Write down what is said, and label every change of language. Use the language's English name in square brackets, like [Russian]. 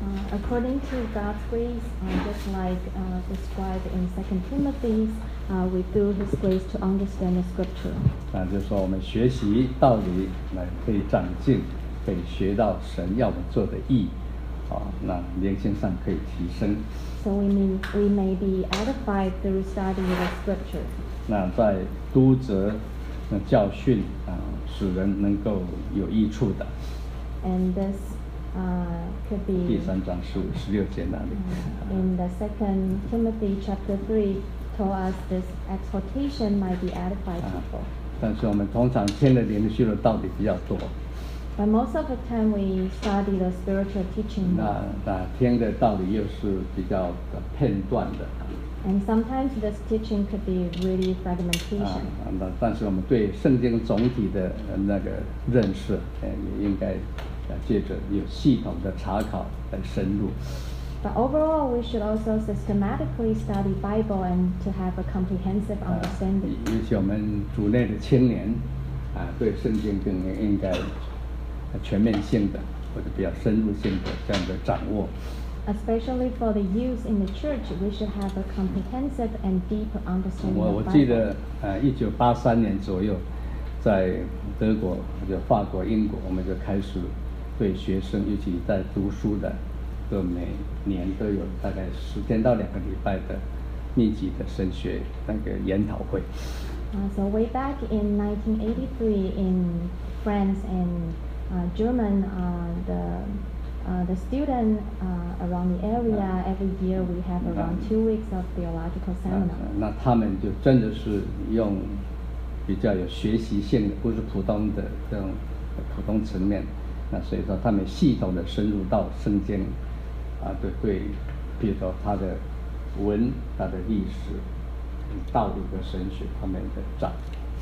[English] According to God's grace, just like described in 2 Timothy, we do His grace to understand the scripture. [Chinese] 那就说我们学习道理，来可以长进，可以学到神要我们做的义，那灵性上可以提升。 [English] So we may be edified through studying the scripture. [Chinese] 那在督责、教训使人能够有益处的。 [English] And this. Could be [Chinese] 第三章十五十六节那里。 [English] In the second Timothy chapter 3 told us this exhortation might be edified people. [Chinese] 但是我们通常听了连续的道理比较多。 [English] But most of the time we study the spiritual teaching. [Chinese] 那听的道理又是比较片段的。 [English] And sometimes this teaching could be really fragmentation. [Chinese] 但是我们对圣经总体的那个认识，也应该。借着有系统的查考来深入。 [English] But overall, we should also systematically study Bible and to have a comprehensive understanding. [Chinese] 尤其我们主内的青年，对圣经更应该全面性的或者比较深入性的这样的掌握。 [English] Especially for the youth in the church, we should have a comprehensive and deep understanding of Bible. [Chinese] 我记得1983年左右，在德国就法国、英国，我们就开始。对学生，尤其在读书的，都每年都有大概10天到2个礼拜的密集的神学那个研讨会。 [English] So way back in 1983 in France and Germany, the student around the area every year we have around 2 weeks of theological seminar. [Chinese] 那他们就真的是用比较有学习性的，不是普通的这种普通层面。那所以说他们系统的深入到圣经对比如说他的文他的历史道理和神学他们的掌握。